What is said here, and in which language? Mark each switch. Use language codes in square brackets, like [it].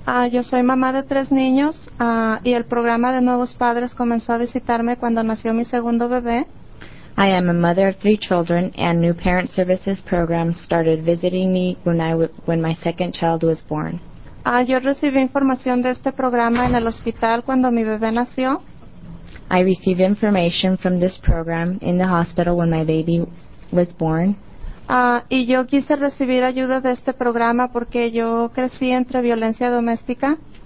[es] Yo soy mamá de tres niños y el programa de Nuevos Padres comenzó a visitarme cuando nació mi segundo bebé. [en] I am a mother of three children and New Parent Services Program started visiting me when my second child was born. [es] Yo recibí información de este programa en el hospital cuando mi bebé nació. [en] I received information from this program in the hospital when my baby was born. [es] Y yo quise recibir ayuda de este programa porque yo crecí entre violencia doméstica.